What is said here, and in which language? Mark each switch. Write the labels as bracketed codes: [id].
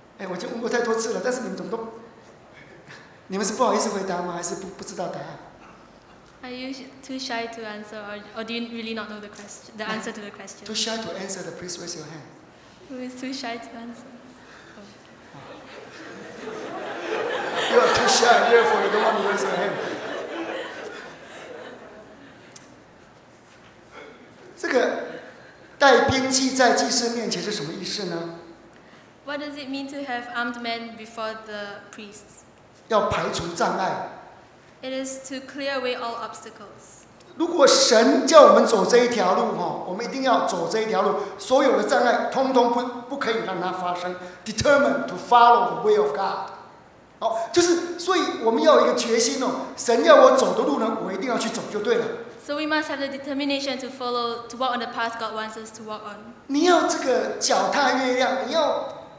[zh] 我就问过太多次了，但是你们怎么都，你们是不好意思回答吗？还是不知道答案？ [en] Are you too shy to answer, or do you really not know the question, the answer to the question? Too shy to answer, the please raise your hand. Who is too shy to answer? Oh. You are too shy, therefore you don't want to raise your hand. [zh] 这个带兵器在祭司面前是什么意思呢？ [en] What does it mean to have armed men before the priests? [zh] 要排除障碍。 [en] It is to clear away all obstacles. [zh] 如果神叫我们走这一条路，我们一定要走这一条路，所有的障碍通通不可以让它发生。 [en] Determined to follow the way of God. [zh] 就是所以我们要有一个决心，神要我走的路呢，我一定要去走就对了。 [en] So we must have the determination to follow, to walk on the path God wants us to walk on. [zh] 你要这个脚踏月亮，你要。